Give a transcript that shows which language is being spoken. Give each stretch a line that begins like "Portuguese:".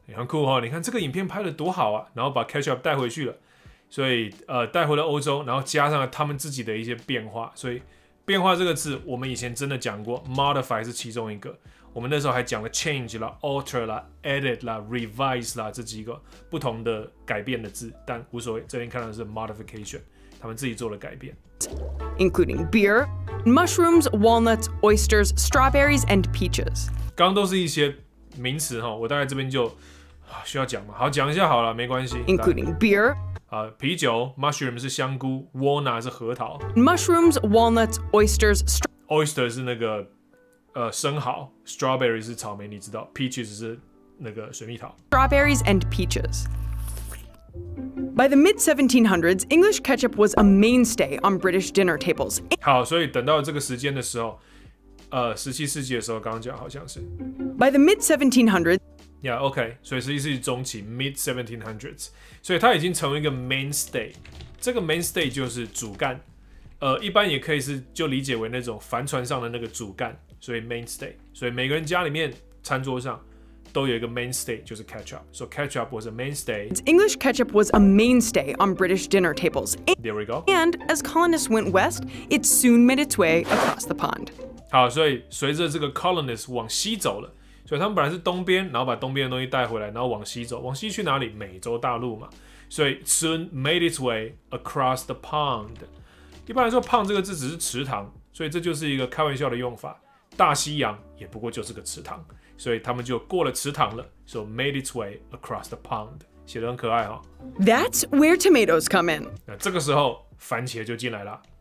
Chinese: 很酷哦，你看这个影片拍的多好啊，然后把 ketchup 带回去了，所以带回了欧洲，然后加上了他们自己的一些变化，所以变化这个字我们以前真的讲过 ，modify 是其中一个，我们那时候还讲了 change 啦、alter 啦、edit 啦、revise 啦这几个不同的改变的字，但无所谓，这边看到的是 modification， 他们自己做了改变
English: ，including beer, mushrooms, walnuts, oysters, strawberries, and peaches。
Chinese: 刚刚都是一些。名词哈，我大概这边就需要讲嘛，好讲一下好了，没关系。
English: Including beer，
Chinese: 啤酒 ，mushroom 是香菇 ，walnut 是核桃
English: ，mushrooms, walnuts, oysters,
Chinese: oyster 是那个生蚝 ，strawberry 是草莓，你知道 ，peaches 是那个水蜜桃
English: ，strawberries and peaches。 By the mid 1700s, English ketchup was a mainstay on British dinner tables。
Chinese: 好，所以等到这个时间的时候。十七世纪的时候，刚刚讲好像是。
English: By the mid 1700s. Yeah, OK.
Chinese: 所以十七世纪中期 ，mid 1700s. 所以它已经成为一个 mainstay. 这个 mainstay 就是主干，一般也可以是就理解为那种帆船上的那个主干，所以 mainstay. 所以每个人家里面餐桌上都有一个 mainstay， 就是 ketchup.
English: So ketchup was a mainstay. English ketchup was a mainstay on British dinner tables. There we go. And as colonists went west, it soon made its way across the pond.
Chinese: 好，所以随着这个 colonists 往西走了，所以他们本来是东边，然后把东边的东西带回来，然后往西走，往西去哪里？美洲大陆嘛。
English: 所以 soon made its way across the pond。
Chinese: 一般来说 ，pond 这个字只是池塘，所以这就是一个开玩笑的用法。大西洋也不过就是个池塘，所以他们就过了池塘了。
English: So made its way across the pond，
Chinese: 写得很可爱哈。
English: That's where tomatoes come in。
Chinese: 那这个时候。番茄就进来了。